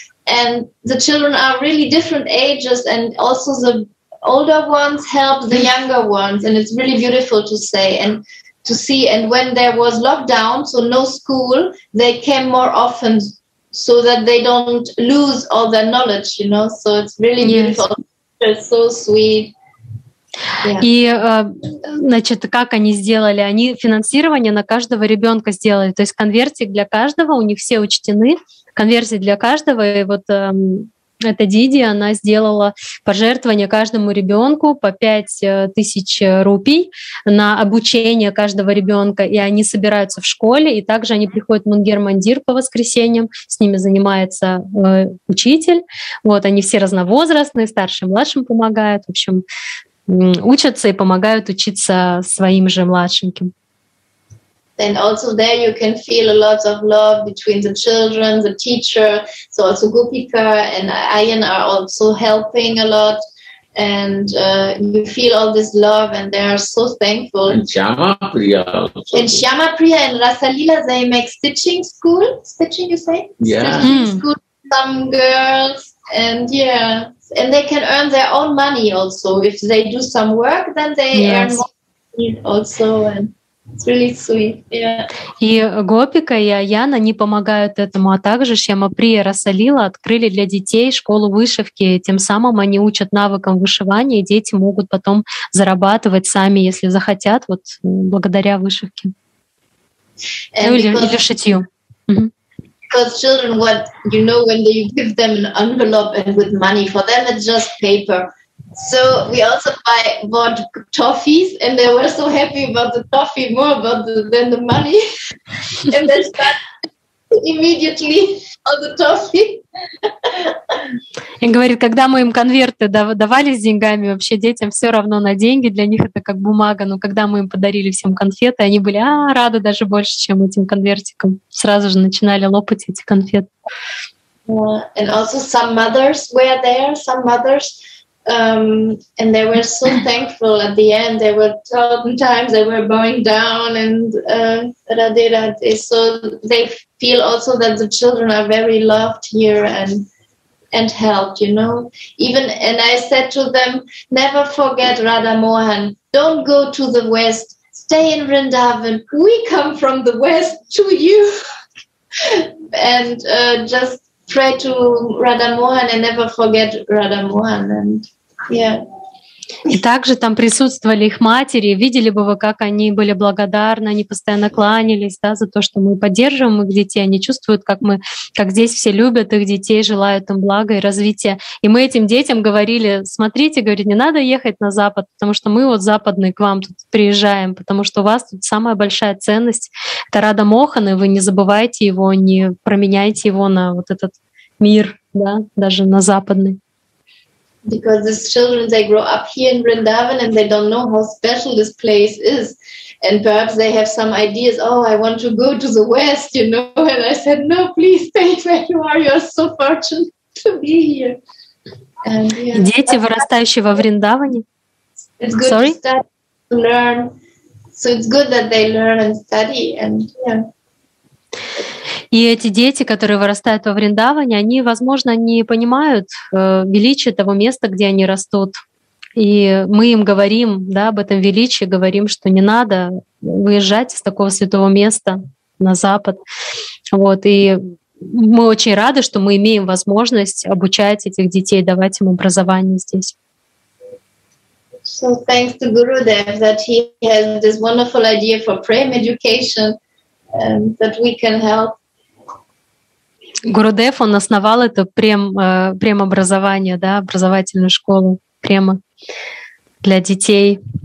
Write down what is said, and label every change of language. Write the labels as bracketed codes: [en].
[en] And the children are really different ages, and also the older ones help the younger ones. And it's really beautiful to say and to see. And when there was lockdown, so no school, they came more often, so that they don't lose all their knowledge, you know. So it's really beautiful. It's so sweet. [ru] И, значит, как они сделали? Они финансирование на каждого ребенка сделали. То есть конвертик для каждого, у них все учтены. Конвертик для каждого. И вот эта Диди, она сделала пожертвование каждому ребенку по 5000 рупий на обучение каждого ребенка. И они собираются в школе, и также они приходят в Мунгер-Мандир по воскресеньям, с ними занимается учитель. Вот, они все разновозрастные, старшим, младшим помогают. В общем, учатся и помогают учиться своим же младшеньким. [en] And also there you can feel a lot of love between the children, the teacher. So also Gopika and Ayan are also helping a lot. And you feel all this love, and they are so thankful. And Shyamapriya also. And Shyamapriya and Rasalila, they make stitching school. Stitching, you say? Yeah. Stitching school for some girls. And yeah. And they can earn their own money also. If they do some work, then they earn more money also. And really sweet. Yeah. [ru] И Гопика и Аяна, они помогают этому, а также Шьямаприя и Расалила открыли для детей школу вышивки, тем самым они учат навыкам вышивания, и дети могут потом зарабатывать сами, если захотят, вот благодаря вышивке. Ну, или шитью. [en] Because children, what you know, when you give them an envelope and with money, for them it's just paper. So we also bought toffees, and they were so happy about the toffee more about than the money. And they started immediately on the toffee. [ru] И говорит, когда мы им конверты давали с деньгами, вообще детям все равно на деньги, для них это как бумага. Но когда мы им подарили всем конфеты, они были рады даже больше, чем этим конвертиком. Сразу же начинали лопать эти конфеты. [en] And also some mothers were there, some mothers. And they were so thankful at the end. They were 12 times they were bowing down and radhe. So they feel also that the children are very loved here and helped, you know. Even and I said to them, never forget Radha Mohan. Don't go to the West. Stay in Vrindavan. We come from the West to you. And just pray to Radha Mohan and never forget Radha Mohan. And [ru] И также там присутствовали их матери, видели бы вы, как они были благодарны, они постоянно кланялись, да, за то, что мы поддерживаем их детей, они чувствуют, как здесь все любят их детей, желают им блага и развития. И мы этим детям говорили, смотрите, говорит, не надо ехать на Запад, потому что мы вот западные к вам тут приезжаем, потому что у вас тут самая большая ценность, это Радха Мохан, и вы не забывайте его, не променяйте его на вот этот мир, да, даже на западный. [en] Because these children, they grow up here in Vrindavan and they don't know how special this place is. And perhaps they have some ideas, oh, I want to go to the West, you know. And I said, no, please stay where you are. You are so fortunate to be here. And, [ru] yeah. Дети, вырастающие во Вриндаване. [en] It's good to start to learn. So it's good that they learn and study. And yeah. [ru] И эти дети, которые вырастают во Вриндаване, они, возможно, не понимают величие того места, где они растут. И мы им говорим, да, об этом величии, говорим, что не надо выезжать из такого святого места на Запад. Вот. И мы очень рады, что мы имеем возможность обучать этих детей, давать им образование здесь. [en] So thanks to Gurudev that he has this wonderful idea for prem education, and that we can help. [ru] Гурудев, он основал это прем образование, да, образовательную школу према для детей.